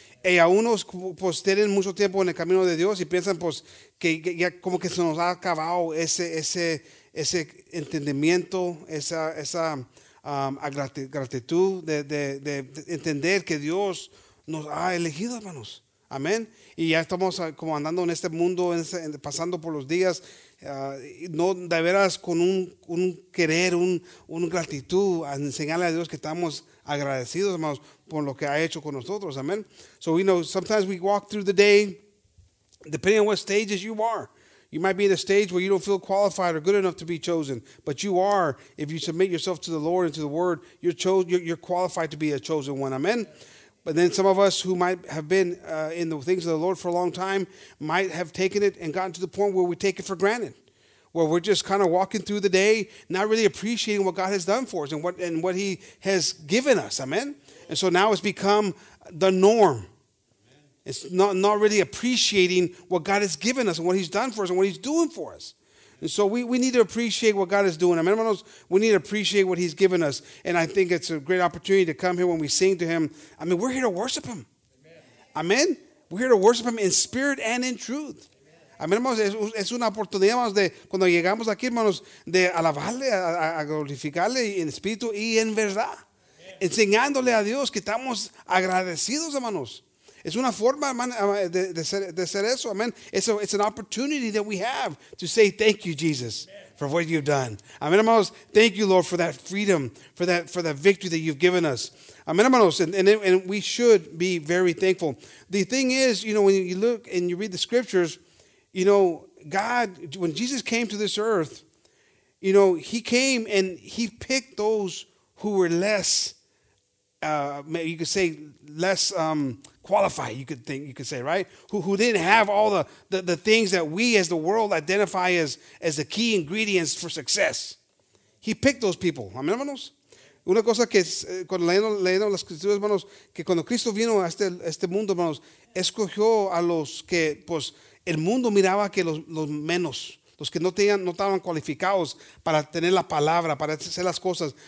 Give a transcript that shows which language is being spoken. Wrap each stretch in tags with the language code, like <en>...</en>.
<es>Y a unos, pues, tienen mucho tiempo en el camino de Dios y piensan, pues, que ya como que se nos ha acabado ese entendimiento, gratitud de entender que Dios nos ha elegido, hermanos. Amén. Y ya estamos como andando en este mundo, pasando por los días. No de veras con un querer, un gratitud a enseñarle a Dios que estamos agradecidos, hermanos, por lo que ha hecho con nosotros. Amen.</es> <en>So we know sometimes we walk through the day, depending on what stages you are. You might be in a stage where you don't feel qualified or good enough to be chosen, but you are, if you submit yourself to the Lord and to the Word, you're qualified to be a chosen one. Amen. But then some of us who might have been in the things of the Lord for a long time might have taken it and gotten to the point where we take it for granted, where we're just kind of walking through the day, not really appreciating what God has done for us and what he has given us. Amen. And so now it's become the norm. It's not really appreciating what God has given us and what he's done for us and what he's doing for us. And so we need to appreciate what God is doing. Amen, hermanos? We need to appreciate what he's given us. And I think it's a great opportunity to come here when we sing to him. I mean, we're here to worship him. Amen? Amen? We're here to worship him in spirit and in truth. Amen, hermanos?</en> <es>Es una oportunidad, hermanos, de cuando llegamos aquí, hermanos, de alabarle, a glorificarle en espíritu y en verdad. Amen. Enseñándole a Dios que estamos agradecidos, hermanos. Es una forma, hermano, de ser eso. Amen.</es> <en>It's an opportunity that we have to say thank you, Jesus, for what you've done. Amen, hermanos. Thank you, Lord, for that freedom, for that victory that you've given us. Amen, hermanos. And we should be very thankful. The thing is, you know, when you look and you read the scriptures, you know, God, when Jesus came to this earth, you know, he came and he picked those who were less, you could say, less qualify, you could say, right? Who didn't have all the things that we as the world identify as the key ingredients for success. He picked those people. Amen, hermanos?</en> <es>Una cosa que cuando leyendo las escrituras, hermanos, que cuando Cristo vino a este mundo, hermanos, escogió a los que, pues, el mundo miraba que los menos, los que no estaban cualificados para tener la palabra, para hacer las cosas.</es>